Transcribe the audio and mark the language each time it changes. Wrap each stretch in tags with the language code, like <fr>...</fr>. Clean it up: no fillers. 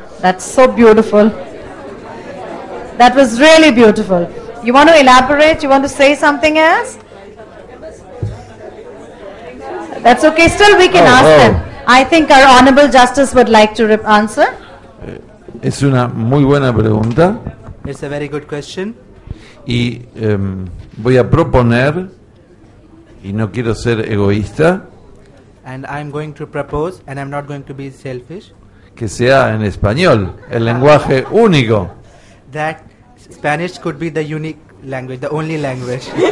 <en>That's so beautiful. That was really beautiful. You want to elaborate? You want to say something else? That's okay. Still, we can ask them. I think our Honorable Justice would like to answer.</en> <es>Es una muy buena pregunta.</es> <en>It's a very good question.</en> <es>Y voy a proponer, y no quiero ser egoísta.</es> <en>And I'm going to propose, and I'm not going to be selfish.</en> <es>Que sea en español, el lenguaje único.</es> <en>That Spanish could be the unique language, the only language.</en>